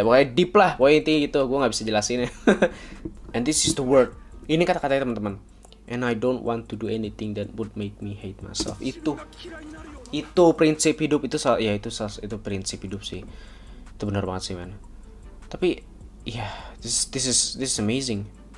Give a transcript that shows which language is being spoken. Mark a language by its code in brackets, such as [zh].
[id] Pokoknya deep lah, pokoknya intinya gitu, gua enggak bisa jelasinnya. [en] And this is the word. [id] Ini kata-katanya teman-teman. [en] And I don't want to do anything that would make me hate myself. [id] Itu prinsip hidup itu, ya itu prinsip hidup sih. Itu benar banget sih, man. Tapi ya [en] yeah, this is amazing.